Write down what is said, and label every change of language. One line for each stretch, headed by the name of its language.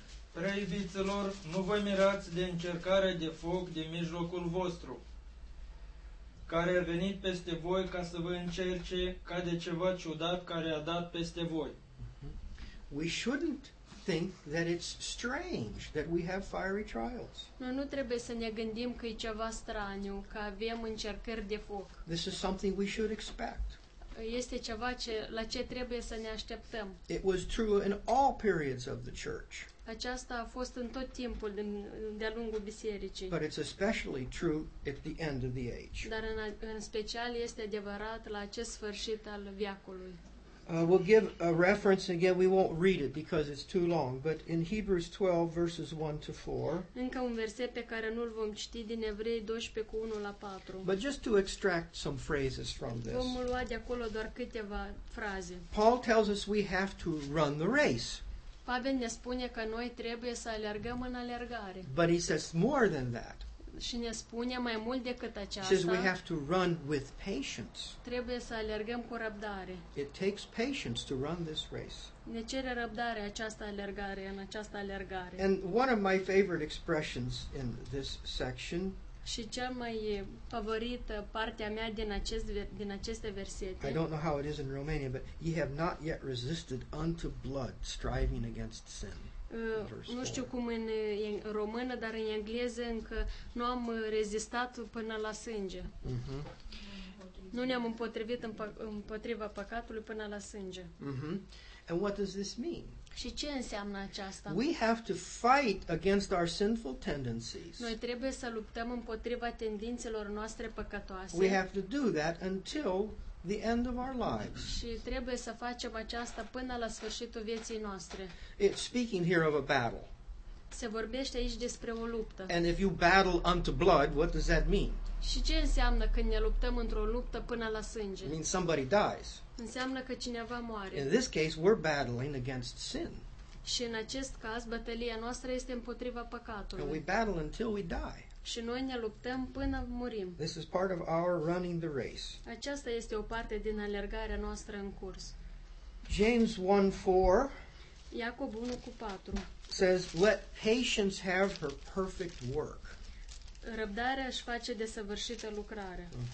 Romanian: Prea iubiților, nu vă mirați de încercare de foc din mijlocul vostru, care a venit peste voi ca să vă încerce ca de ceva ciudat care a dat peste voi.
English: We shouldn't think that it's strange that we have fiery trials.
Romanian: Noi nu trebuie să ne gândim că e ceva straniu că avem încercări de foc.
English: This is something we should expect.
Romanian: Este ceva ce la ce trebuie să ne așteptăm.
English: It was true in all periods of the church.
Romanian: Aceasta a fost în tot timpul de-a lungul bisericii.
English: But it's especially true at the end of the age.
Romanian: Dar în special este adevărat la acest sfârșit al veacului.
English: We'll give a reference again. We won't read it because it's too long. But in Hebrews 12 verses 1 to 4.
Romanian: Încă un verset pe care nu-l vom citi din Evrei 12 cu 1 la 4.
English: But just to extract some phrases from this.
Romanian: Vom lua de acolo doar câteva fraze.
English: Paul tells us we have to run the race.
Romanian: Pavel ne spune că noi trebuie să alergăm în alergare.
English: But he says more than that.
Romanian: Și ne spune mai mult decât aceasta.
English: Says we have to run with patience.
Romanian: Trebuie să alergăm cu răbdare.
English: It takes patience to run this race.
Romanian: Ne cere răbdare această alergare, în această alergare.
English: And one of my favorite expressions in this section.
Romanian: Și cea mai favorită partea mea din aceste versete.
English: I don't know how it is in Romania, but ye have not yet resisted unto blood, striving against sin.
Romanian: Nu știu cum în română, dar în engleză încă nu am rezistat până la sânge. Nu ne-am împotrivit împotriva păcatului până la sânge.
English: And what does this mean?
Romanian: Și ce înseamnă aceasta?
English: We have to fight against our sinful tendencies.
Romanian: Noi trebuie să luptăm împotriva tendințelor noastre păcătoase.
English: We have to do that until the end of our lives.
Romanian: Și trebuie să facem aceasta până la sfârșitul vieții noastre.
English: It's speaking here of a battle.
Romanian: Se vorbește aici despre o luptă.
English: And if you battle unto blood, what does that mean?
Romanian: Și ce înseamnă când ne luptăm într-o luptă până la sânge?
English: It means somebody dies.
Romanian: Înseamnă că cineva moare.
English: In this case, we're battling against sin.
Romanian: Și în acest caz, bătălia noastră este împotriva păcatului.
English: And we battle until we die.
Romanian: Și noi ne luptăm până murim.
English: This is part of our running the race.
Romanian: Aceasta este o parte din alergarea noastră în curs.
English: James 1:4.
Romanian: Iacob 1:4.
English: Says, let patience have her perfect work.
Romanian: Răbdarea își face desăvârșită lucrare.